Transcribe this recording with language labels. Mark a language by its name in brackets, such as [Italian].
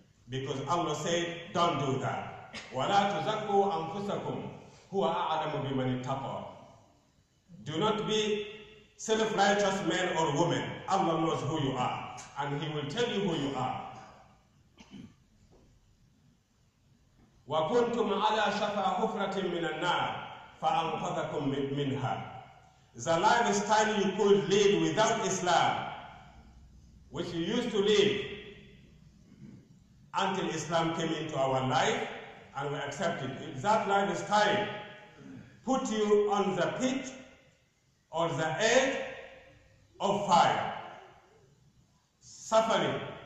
[English] Because Allah said, don't do that. [Arabic] وَلَا تُزَكُّوا أَنفُسَكُمْ هُوَ أَعْلَمُ بِمَنِ اتَّقَى. [English] Do not be self-righteous men or women. Allah knows who you are. And He will tell you who you are. [Arabic] وكنتم على شفا حفرة من النار فأنقذكم منها. [English] The lifestyle you could lead without Islam, which you used to live until Islam came into our life and we accepted it, that lifestyle put you on the pit or the edge of fire, suffering.